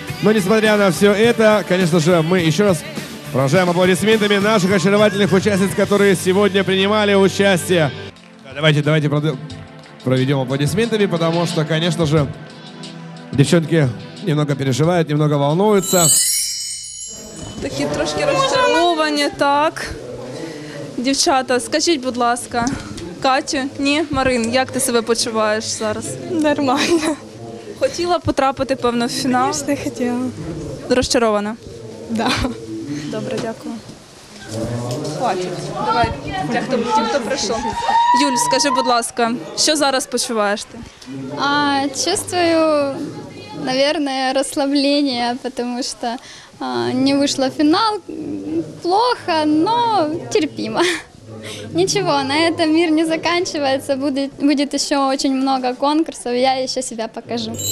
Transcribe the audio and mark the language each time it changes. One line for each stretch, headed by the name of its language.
Russian: Но несмотря на все это, конечно же, мы еще раз поражаем аплодисментами наших очаровательных участниц, которые сегодня принимали участие. Давайте проведем аплодисментами, потому что, конечно же, девчонки немного переживают, немного волнуются.
Ukrainian: Такие трошки розчаровування, так. Дівчата, скажіть, будь ласка, Катю, ні, Марин, як ти себе почуваєш зараз? Нормально. Хотіла потрапити, певно, в фінал? Звісно, хотіла. Розчарована? Да. Добре, дякую. Хватить, давай, для хто прийшов. Юль, скажи, будь ласка, що зараз почуваєш ти?
Russian: Чувствую, наверное, расслабление, потому что не вышло финал, плохо, но терпимо. Ничего, на этом мир не заканчивается, будет еще очень много конкурсов, я еще себя покажу.